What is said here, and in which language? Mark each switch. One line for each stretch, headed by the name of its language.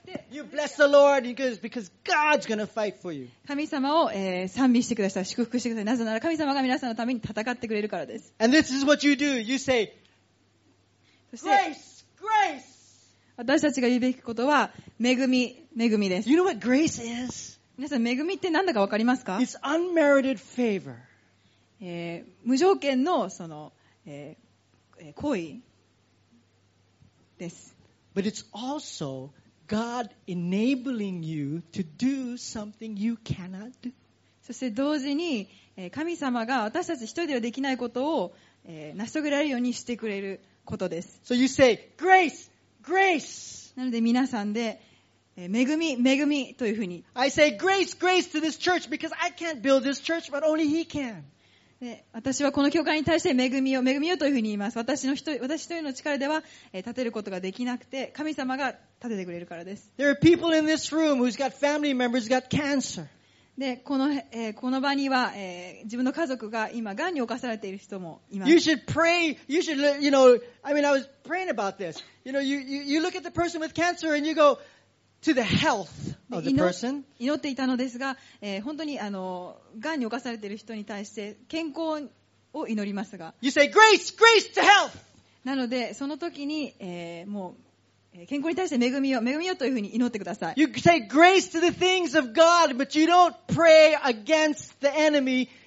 English: You bless the Lord because God's gonna fight for you.
Japanese: 神様を、賛美してください、祝福してください。なぜなら神様が皆さんのために戦ってくれるからです。
English: And this is what you do. You say, grace, grace.
Japanese: 私たちが言うべきことは恵み、恵みです。
English: You know what grace is?
Japanese: 皆さん恵みって何だかわかりますか
English: ？It's unmerited favor.
Japanese: 無条件のその、好意です。
English: But it's also God enabling you to do something you cannot do.
Japanese: そして同時に神様が私たち一人ではできないことを成し遂げられるようにしてくれることです。
English: So you say, grace, grace.
Japanese: なので皆さんで恵み、恵みというふうに。
English: I say grace, grace to this church because I can't build this church, but only He can.
Japanese: で私はこの教会に対して恵みをというふうに言います。私一人の力では建てることができなくて、神様が建ててくれるからです。
English: There are people in this room who's got family members who's got cancer.
Japanese: で、この場には、自分の家族が今、癌に侵されている人もいます。
English: You should pray, you should, you know, I mean, I was praying about this. You know, you look at the person with cancer and you go to the health.
Japanese: 祈っていたのですが、本当にあの癌に侵されている人に対して健康を祈りますが、
English: You say grace, grace to health.
Japanese: なのでその時に、もう健康に対して恵みをというふうに祈ってください。
English: You say grace to the things of God, but you don't pray against the enemy.